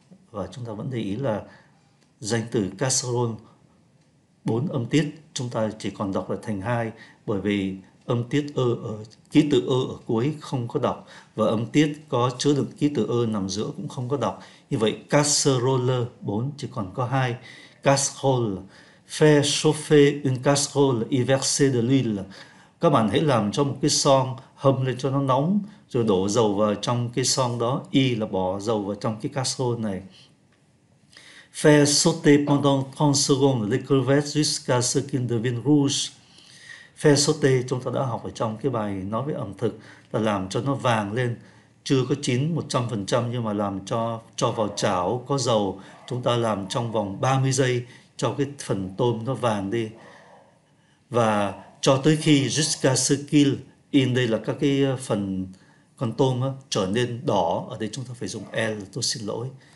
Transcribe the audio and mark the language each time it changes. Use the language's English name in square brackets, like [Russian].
[Vietnamese] Và chúng ta vẫn để ý là danh từ casserole 4 âm tiết, chúng ta chỉ còn đọc là thành 2, bởi vì âm tiết ơ ở ký tự ơ ở cuối không có đọc, và âm tiết có chứa được ký tự ơ nằm giữa cũng không có đọc. Như vậy casserole 4 chỉ còn có 2. [French] Casserole, faire chauffer une casserole et verser de l'huile. [Vietnamese] Các bạn hãy làm cho một cái xoong, hâm lên cho nó nóng, rồi đổ dầu vào trong cái xoong đó. Y là bỏ dầu vào trong cái casserole này. [French] Faire sauter pendant 30 secondes les crevettes jusqu'à ce qu'ils deviennent rouges. Faire sauter, [Vietnamese] chúng ta đã học ở trong cái bài nói về ẩm thực, là làm cho nó vàng lên, chưa có chín 100%, nhưng mà làm cho vào chảo có dầu, chúng ta làm trong vòng 30 giây cho cái phần tôm nó vàng đi. Và cho tới khi [French] jusqu'à ce qu'il, [Vietnamese] in đây là các cái phần con tôm đó, trở nên đỏ, ở đây chúng ta phải dùng L, tôi xin lỗi.